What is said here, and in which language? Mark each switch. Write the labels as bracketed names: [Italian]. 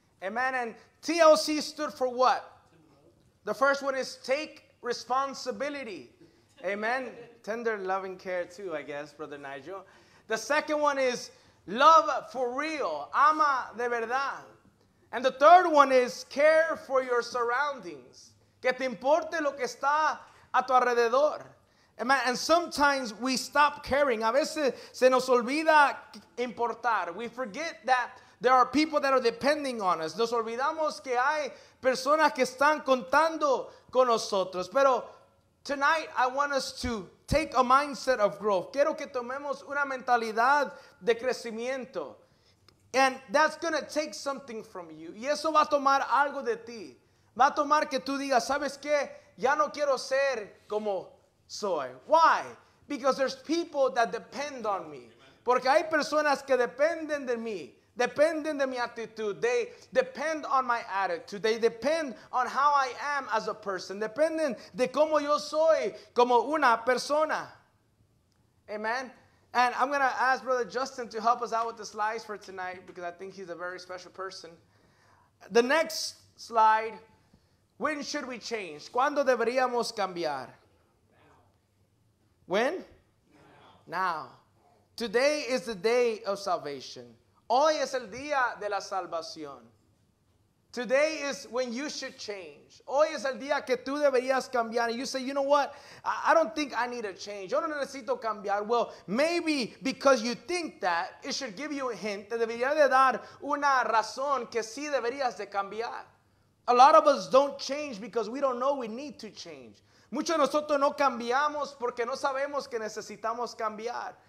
[English] Amen. And TLC stood for what? The first one is take responsibility. Amen. Tender loving care too, I guess, Brother Nigel. The second one is love for real. [Spanish] Ama de verdad. [English] And the third one is care for your surroundings. [Spanish] Que te importe lo que está a tu alrededor. [English] Amen. And sometimes we stop caring. [Spanish] A veces se nos olvida importar. [English] We forget that there are people that are depending on us. [Spanish] Nos olvidamos que hay personas que están contando con nosotros. [English] Pero tonight I want us to take a mindset of growth. [Spanish] Quiero que tomemos una mentalidad de crecimiento. [English] And that's going to take something from you. [Spanish] Y eso va a tomar algo de ti. Va a tomar que tú digas, ¿sabes qué? Ya no quiero ser como soy. Why? [English] Because there's people that depend on me. [Spanish] Porque hay personas que dependen de mí. Dependen de mi actitud. [English] They depend on my attitude. They depend on how I am as a person. [Spanish] Dependen de cómo yo soy como una persona. [English] Amen. And I'm going to ask Brother Justin to help us out with the slides for tonight because I think he's a very special person. The next slide. When should we change? [Spanish] ¿Cuándo deberíamos cambiar? When? [English] Now. Today is the day of salvation. [Spanish] Hoy es el día de la salvación. [English] Today is when you should change. [Spanish] Hoy es el día que tú deberías cambiar. [English] And you say, you know what? I don't think I need a change. [Spanish] Yo no necesito cambiar. [English] Well, maybe because you think that, it should give you a hint. [Spanish] Te debería de dar una razón que sí deberías de cambiar. [English] A lot of us don't change because we don't know we need to change. [Spanish] Muchos de nosotros no cambiamos porque no sabemos que necesitamos cambiar.